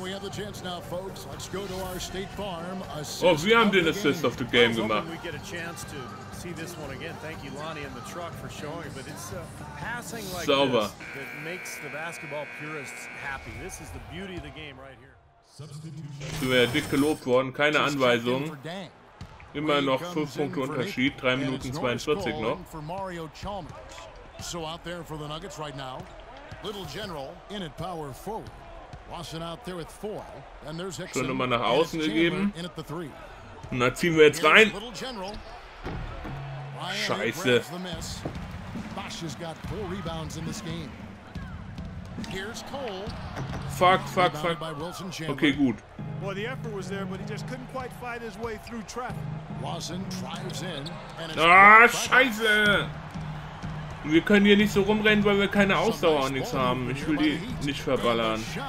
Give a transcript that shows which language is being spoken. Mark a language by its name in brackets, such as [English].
[English] We have the chance now, folks. Let's go to our State Farm. [German] Oh, wir haben den [English] Assist of the game [German] gemacht. [English] We get a chance to see this one again. Thank you, Lonnie, and the truck for showing. But it's passing like [German] Sauber. [English] This that makes the basketball purists happy. This is the beauty of the game right here. Substitution. [German] Wir sind dick gelobt worden. Keine Anweisung. Immer noch 5 Punkte Unterschied. 3 Minuten 42 noch. [English] For Mario Chalmers. So out there for the Nuggets right now. Little General in at power forward. Lawson out there with 4. And there's Hickson. [German] Schon mal nach außen gegeben. [English] In at the 3. [German] Und dann ziehen wir jetzt rein. [English] Little General. [German] Scheiße. [English] Bosch has got 4 rebounds in this game. Here's Cole. Fuck. By Wilson Chandler. [German] Okay, gut. [English] Well, the effort was there, but he just couldn't quite fight his way through traffic. Lawson drives in. [German] Scheiße. Wir können hier nicht so rumrennen, weil wir keine Ausdauer und nichts haben. Ich will die nicht verballern.